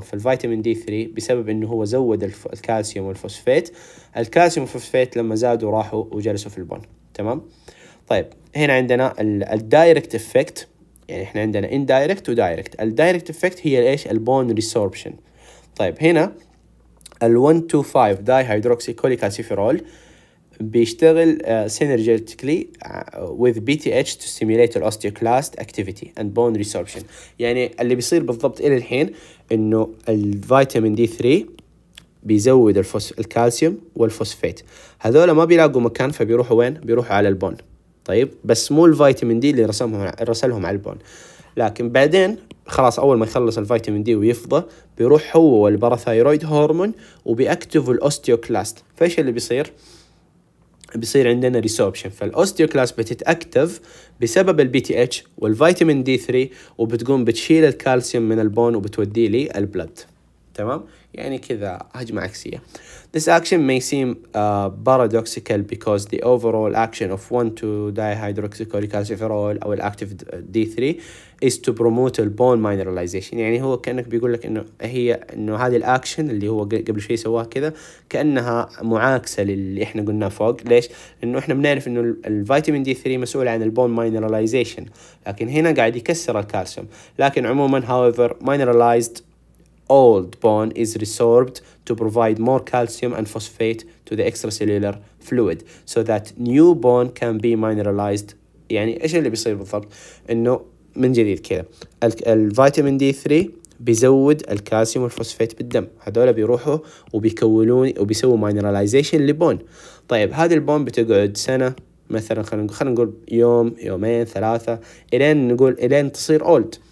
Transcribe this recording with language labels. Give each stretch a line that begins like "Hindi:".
Arabic: فالفيتامين دي 3 بسبب انه هو زود الكالسيوم والفوسفيت، الكالسيوم والفوسفيت لما زادوا راحوا وجلسوا في البون. تمام. طيب هنا عندنا الدايركت افكت، يعني احنا عندنا اندايركت ودايركت. الدايركت افكت هي ايش؟ البون ريسوربشن. طيب هنا ال 125 داي هيدروكسي كوليكالسيفيرول
English: بيشتغل synergetically with BTH to stimulate the osteoclast activity and bone resorption.
Arabic: يعني اللي بيصير بالضبط إلى الحين إنه الفيتامين دي 3 بيزود الكالسيوم والفوسفيت، هذولا ما بيلاقوا مكان فبيروحوا وين؟ بيروحوا على البون. طيب بس مو الفيتامين دي اللي رسلهم على البون، لكن بعدين خلاص أول ما يخلص الفيتامين دي ويفضى بيروح هو والباراثايرويد هرمون وبيأكتف الأوستيوكلاست. فايش اللي بيصير؟ بيصير عندنا ريسوربشن. فالأوستيوكلاست بتتأكتف بسبب البي تي اتش والفيتامين دي 3 وبتقوم بتشيل الكالسيوم من البون وبتودي لي البلد. تمام؟ يعني كذا هجمة عكسية.
English: This action may seem paradoxical because the overall action of 1,2-dihydroxycholecalciferol
Arabic: أو الأكتف دي 3
English: is to promote the bone mineralization.
Arabic: يعني هو كأنك بيقول لك إنه هي إنه هذه الأكشن اللي هو قبل شوي سواها كذا كأنها معاكسة للي إحنا قلناه فوق. ليش؟ إنه إحنا بنعرف إنه الفيتامين دي 3 مسؤول عن البون mineralization، لكن هنا قاعد يكسر الكالسيوم. لكن عموما
English: however mineralized old bone is resorbed to provide more calcium and phosphate to the extracellular fluid so that new bone can be mineralized.
Arabic: يعني ايش اللي بيصير بالضبط؟ انه من جديد كذا الفيتامين دي 3 بيزود الكالسيوم والفوسفيت بالدم، هذول بيروحوا وبيكونون وبيسووا mineralization لبون. طيب هذه البون بتقعد سنه مثلا، خلينا نقول يوم يومين ثلاثه الين نقول الين تصير old.